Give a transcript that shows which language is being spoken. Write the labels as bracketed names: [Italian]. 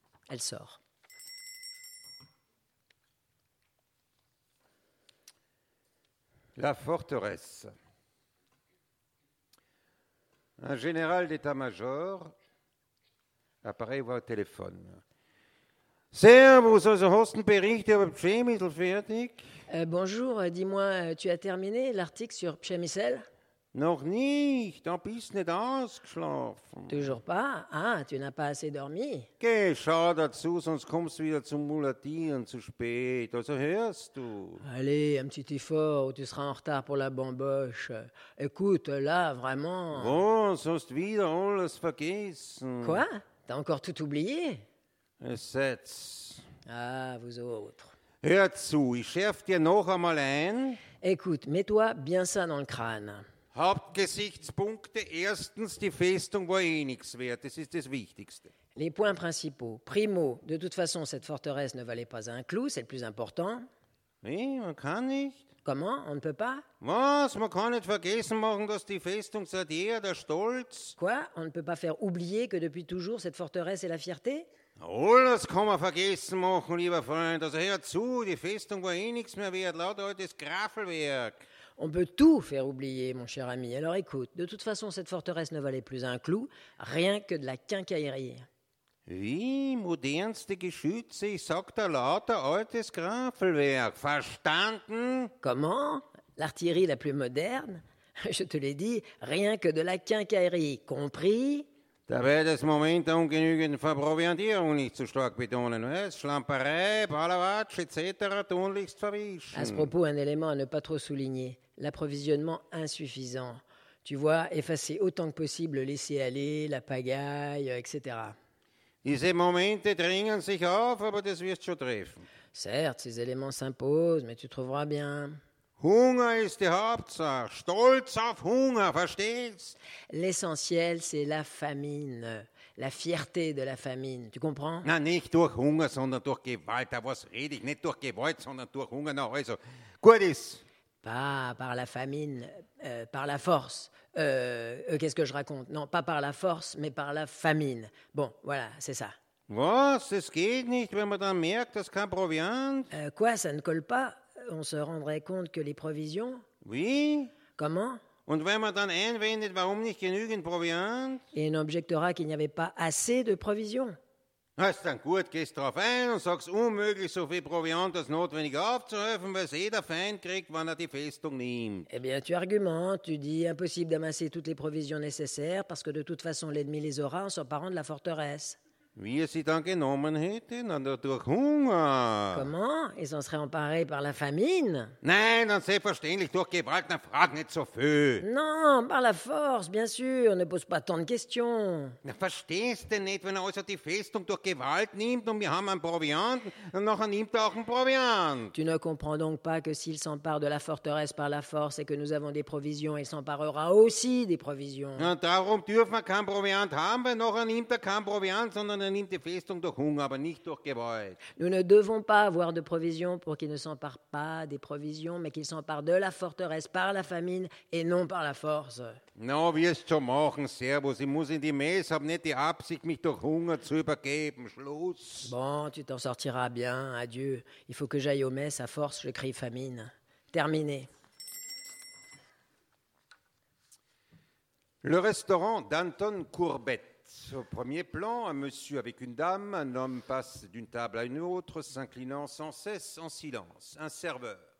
[French] Elle sort. La forteresse. Un général d'état-major apparaît au téléphone. [German] Servus aus Hostenbericht über Pschemisel fertig. [French] Bonjour, dis-moi, tu as terminé l'article sur Pschemisel? [German] Noch nicht, ein bisschen nicht ausgeschlafen. [French] Toujours pas? Ah, tu n'as pas assez dormi? [German] Geh, schau dazu, sonst kommst du wieder zum Mulatieren zu spät. Also hörst du? [French] Allez, un petit effort ou tu seras en retard pour la bamboche. Écoute, là, vraiment... [German] Bon, sonst wieder alles vergessen. [French] Quoi? T'as encore tout oublié? [German] Setz. [French] Ah, vous autres. [German] Hör zu, ich schärf dir noch einmal ein. [French] Écoute, mets-toi bien ça dans le crâne. [German] Hauptgesichtspunkte, erstens, die Festung war eh nichts wert. Das ist das Wichtigste. [French] Les points principaux. Primo, de toute façon, cette forteresse ne valait pas un clou, c'est le plus important. [German] Oui, man kann nicht. [French] Comment, on ne peut pas? [German] Was, man kann nicht vergessen machen, dass die Festung seit jeher der Stolz. [French] Quoi, on ne peut pas faire oublier que depuis toujours cette forteresse est la fierté? [German] Oh, das kann man vergessen machen, lieber Freund. Also hör zu, die Festung war eh nichts mehr wert, lauter altes Graffelwerk. [French] On peut tout faire oublier, mon cher ami. Alors écoute, de toute façon, cette forteresse ne valait plus un clou, rien que de la quincaillerie. [German] Oui, modernste Geschütze, ich sag da lauter altes Graffelwerk. Verstanden? [French] Comment? L'artillerie la plus moderne? Je te l'ai dit, rien que de la quincaillerie. Compris? [German] Dabei das Moment der ungenügenden Verproviantierung nicht zu stark betonen, weißt? Schlamperei, Ballerwatsch, etc. tunlichst verwischen. [French] À ce propos, un élément à ne pas trop souligner, l'approvisionnement insuffisant. Tu vois, effacer autant que possible, laisser aller, la pagaille, etc. [German] Diese Momente dringen sich auf, aber das wirst schon treffen. [French] Certes, ces éléments s'imposent, mais tu trouveras bien. [German] Hunger ist die Hauptsache. Stolz auf Hunger, verstehst? [French] L'essentiel, c'est la famine. La fierté de la famine, tu comprends? [German] Na, nicht durch Hunger, sondern durch Gewalt. Was rede ich? Nicht durch Gewalt, sondern durch Hunger. Na, also, gut ist. [French] Pas par la famine, par la force. Qu'est-ce que je raconte? Non, pas par la force, mais par la famine. Bon, voilà, c'est ça. [German] Was? Es geht nicht, wenn man dann merkt, dass kein Proviant. [French] Quoi, ça ne colle pas? On se rendrait compte que les provisions? Oui. Comment? [German] Und wenn man dann einwendet, warum nicht genügend Proviant? [French] Et on objectera qu'il n'y avait pas assez de provisions. [German] Also dann gut, gehst drauf ein und sagst unmöglich so viel Proviant, als notwendig aufzuhelfen, weil es jeder Feind kriegt, wenn er die Festung nimmt. [French] Eh bien, tu argumentes, tu dis impossible d'amasser toutes les provisions nécessaires, parce que de toute façon l'ennemi les aura en s'emparant de la forteresse. [German] Wie er sie dann genommen hätte, dann durch Hunger. [French] Comment? Ils s'en seraient emparés par la famine? [German] Nein, dann selbstverständlich durch Gewalt, dann frag nicht so viel. [French] Non, par la force, bien sûr, ne pose pas tant de questions. [German] Na, verstehst du nicht, wenn er also die Festung durch Gewalt nimmt und wir haben einen Proviant, dann nachher nimmt er auch einen Proviant. [French] Tu ne comprends donc pas que s'il s'empare de la forteresse par la force et que nous avons des provisions, il s'emparera aussi des provisions. [German] Na, darum dürfen wir keinen Proviant haben, weil nachher nimmt er keinen Proviant, sondern er nimmt die Festung durch Hunger, aber nicht durch Gewalt. [French] Nous ne devons pas avoir de provisions pour qu'il ne s'empare pas des provisions, mais qu'il s'empare de la forteresse par la famine et non par la force. [German] Non, wirst schon machen, Servus. Ich muss in die Messe, hab nicht die Absicht, mich durch Hunger zu übergeben. Schluss. [French] Bon, tu t'en sortiras bien. Adieu. Il faut que j'aille aux messes. À force, je crie famine. Terminé. Le restaurant d'Anton Courbet. Au premier plan, un monsieur avec une dame, un homme passe d'une table à une autre, s'inclinant sans cesse en silence. Un serveur.